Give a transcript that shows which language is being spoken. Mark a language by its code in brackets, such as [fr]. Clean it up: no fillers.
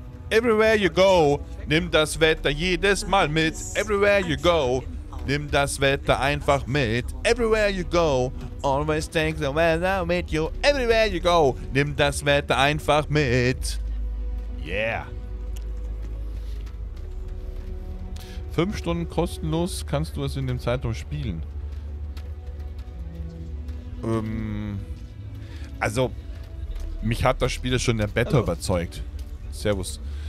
[en] Everywhere you go, [de] nimm das Wetter jedes Mal mit. [en] Everywhere you go, [de] nimm das Wetter einfach mit. [en] Everywhere you go, always take the weather with you. Everywhere you go, [de] nimm das Wetter einfach mit. Yeah. 5 Stunden kostenlos kannst du es in dem Zeitraum spielen. Also, mich hat das Spiel schon der Beta überzeugt. Servus.